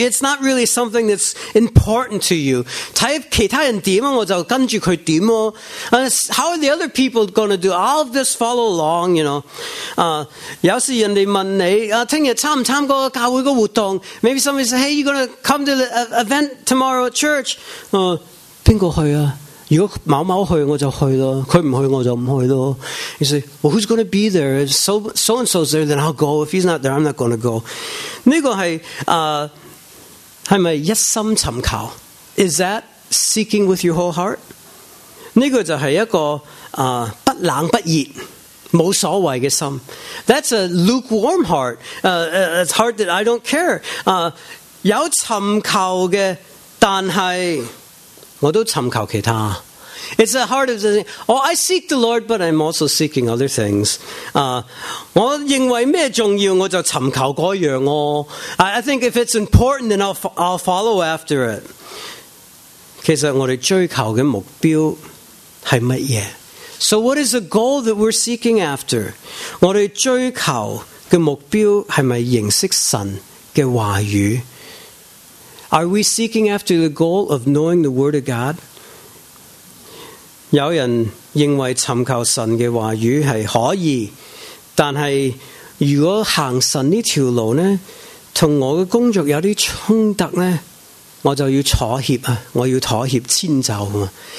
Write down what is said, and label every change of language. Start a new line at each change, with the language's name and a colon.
English: It's not really something that's important to you.
Cantonese: 睇其他人点，我就跟住佢点咯。
English: How are the other people going to do? I'll just follow along, you know.
Cantonese: 有时人哋问你，听日参唔参加教会个活动 ？
English: Maybe somebody says, "Hey, you going to come to the event tomorrow at church?"
Cantonese: 边个去啊？如果某某去我就去咯，佢唔去我就唔去咯。
English: You say, well, who's going to be there? If so and so's there, then I'll go. If he's not there, I'm not going to go.
Cantonese: 呢个系系咪一心寻求
English: ？Is that seeking with your whole heart?
Cantonese: 呢个就系一个不冷不热。冇所谓嘅心。
English: That's a lukewarm heart. It's heart that I don't care.
Cantonese: 有寻求嘅，但系。我都寻求其他。
English: It's a heart of the thing. Oh, I seek the Lord, but I'm also seeking other things.
Cantonese: 我认为咩重要，我就寻求嗰样咯。
English: I think if it's important, then I'll follow after it.
Cantonese: 其实我哋追求嘅目标系乜嘢
English: ？So what is the goal that we're seeking after?
Cantonese: 我哋追求嘅目标系咪认识神嘅话语？
English: Are we seeking after the goal of knowing the Word of God?
Cantonese: 有人认为寻求神嘅话语系可以，但系如果行神呢条路呢，同我嘅工作有啲冲突呢，我就要妥协啊，我要妥协迁就啊。